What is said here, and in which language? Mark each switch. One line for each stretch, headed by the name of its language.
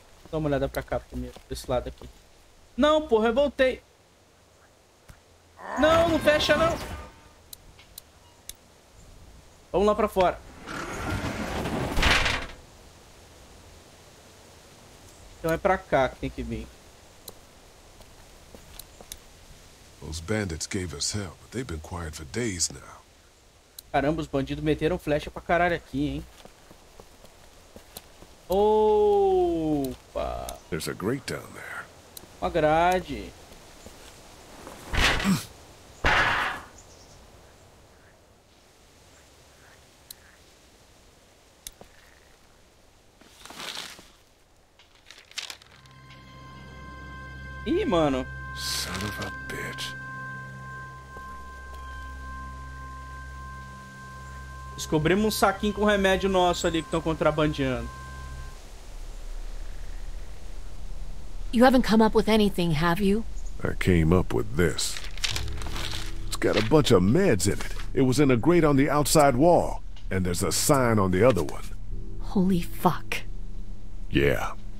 Portuguese: Dá uma olhada pra cá primeiro, desse lado aqui. Não, porra, eu voltei. Não, não fecha não. Vamos lá pra fora. Então é pra cá que tem que vir.
English: Those bandits gave us hell, but they've been quiet for days now.
Portuguese: Caramba, os bandidos meteram flecha pra caralho aqui, hein? Opa!
English: There's a grate down there.
Portuguese: Uma grade. Ih, mano.
English: Son of a bitch.
Portuguese: Descobrimos um saquinho com remédio nosso ali que estão contrabandeando.
English: You haven't come up with anything, have you? I came up with this. It's got a bunch of meds in it. It was in a grate on the outside wall, and there's a sign on the other one. Holy fuck. Yeah.